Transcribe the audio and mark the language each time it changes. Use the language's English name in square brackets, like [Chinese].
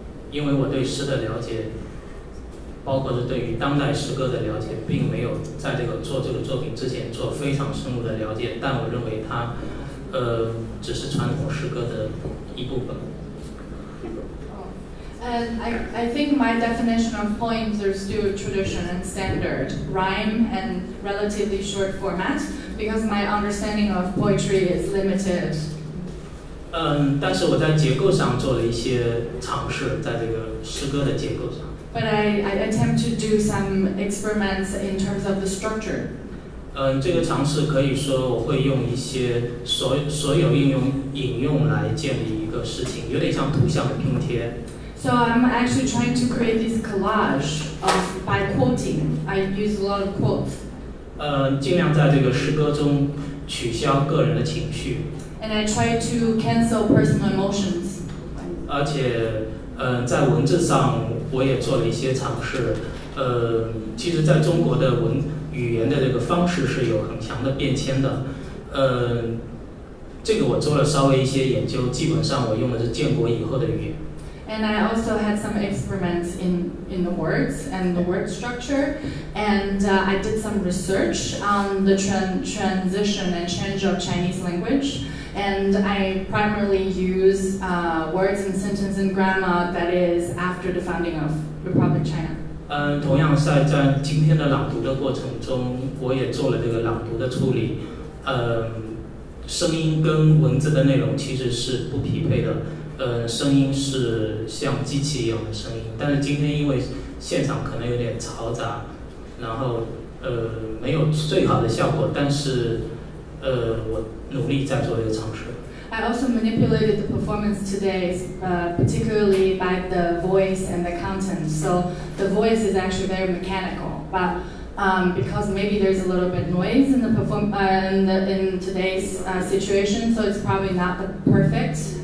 [Chinese] 因为我对诗的了解，包括是对于当代诗歌的了解，并没有在这个做这个作品之前做非常深入的了解，但我认为它，只是传统诗歌的一部分。 [English] I think my definition of poems are still tradition and standard, rhyme and relatively short format, because my understanding of poetry is limited. [Chinese] 但是我在结构上做了一些尝试，在这个诗歌的结构上。 [English] But I attempt to do some experiments in terms of the structure. [Chinese] 这个尝试可以说我会用一些所有引用来建立一个事情，有点像图像的拼贴。 [English] So I'm actually trying to create this collage of by quoting. I use a lot of quotes. [Chinese] 尽量在这个诗歌中取消个人的情绪。 [English] And I try to cancel personal emotions. [Chinese] 而且，在文字上我也做了一些尝试。其实在中国的语言的这个方式是有很强的变迁的。这个我做了稍微一些研究，基本上我用的是建国以后的语言。 [English] And I also had some experiments in the words and the word structure, and I did some research on the transition and change of Chinese language, and I primarily use words and sentence and grammar that is after the founding of Republic China. [Chinese] 同样在今天的朗读的过程中，我也做了这个朗读的处理。声音跟文字的内容其实是不匹配的。声音是像机器一样的声音，但是今天因为现场可能有点嘈杂，然后没有最好的效果，但是我努力在做一个尝试。 [English] I also manipulated the performance today, particularly by the voice and the content. So the voice is actually very mechanical, but because maybe there's a little bit noise in the in today's situation, so it's probably not the perfect.